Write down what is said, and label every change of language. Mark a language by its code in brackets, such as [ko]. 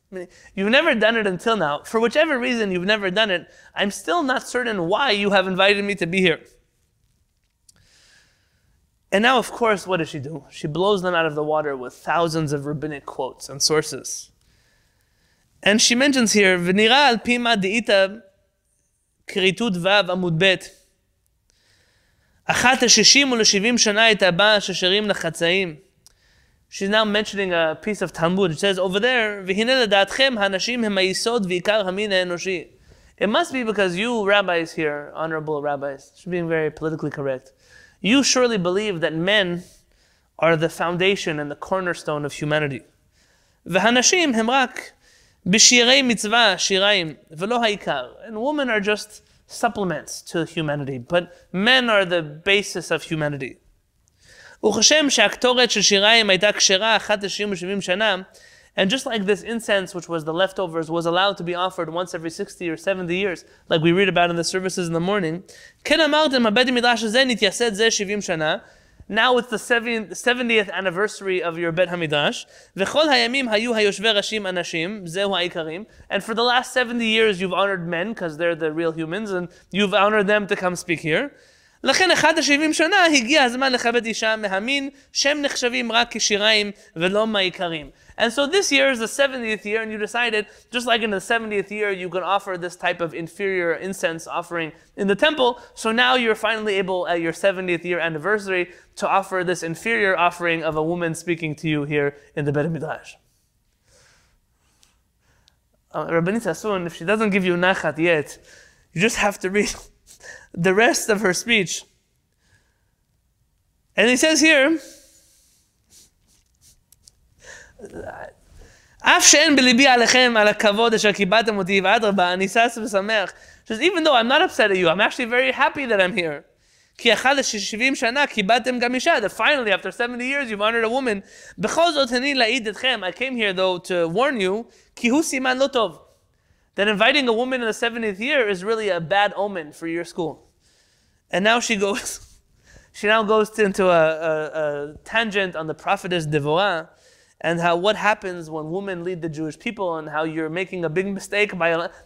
[en] I mean, you've never done it until now. For whichever reason you've never done it, I'm still not certain why you have invited me to be here. And now, of course, what does she do? She blows them out of the water with thousands of rabbinic quotes and sources. And she mentions here, [he] v'nira al pima de'ita, כריתות וב עמוד בית. אחת השישים ולשבעים שנה הייתה באה ששרים לחצאים. [en] She's now mentioning a piece of Talmud. It says over there, [he] והנה לדעתכם האנשים הם היסוד ועיקר המין האנושי. [en] It must be because you rabbis here, honorable rabbis, she's being very politically correct, you surely believe that men are the foundation and the cornerstone of humanity. [he] והאנשים הם רק בשירי מצווה, שיריים, ולא העיקר. [en] And women are just supplements to humanity, but men are the basis of humanity. [he] וכשם שהכתורת של שיריים הייתה כשרה אחת לשירים ושבעים שנה, [en] and just like this incense, which was the leftovers, was allowed to be offered once every 60 or 70 years, like we read about in the services in the morning, [he] כן אמרתם, הבית המדרש הזה נתייסד זה 70 שנה, [en] now it's the 70th anniversary of your Bet HaMidrash. [he] וכל הימים היו היושבי ראשים אנשים, זהו העיקרים. [en] And for the last 70 years, you've honored men, because they're the real humans, and you've honored them to come speak here. [he] לכן אחת השבעים שנה, הגיע הזמן לכבד אישה מהמין, שם נחשבים רק כשיריים ולא מהעיקרים. [en] And so this year is the 70th year, and you decided, just like in the 70th year, you can offer this type of inferior incense offering in the temple, so now you're finally able, at your 70th year anniversary, to offer this inferior offering of a woman speaking to you here in the Beit HaMidrash. Rabbanit Sassoon, if she doesn't give you nachat yet, you just have to read the rest of her speech. And he says here, [he] אף שאין בליבי עליכם על הכבוד אשר קיבלתם אותי ועד רבה אני שש ושמח. [en] Just even though I'm not upset at you, I'm actually very happy that I'm here. [he] כי אחת ששבעים שנה קיבלתם גם אישה. [en] That finally, after 70 years, you've honored a woman. [he] בכל זאת אני להעיד אתכם, [en] I came here though to warn you, [he] כי הוא סימן לא טוב. [en] That inviting a woman in the 70th year is really a bad omen for your school. And now she goes, she now goes into a tangent on the prophetess Devorah and how what happens when women lead the Jewish people and how you're making a big mistake by...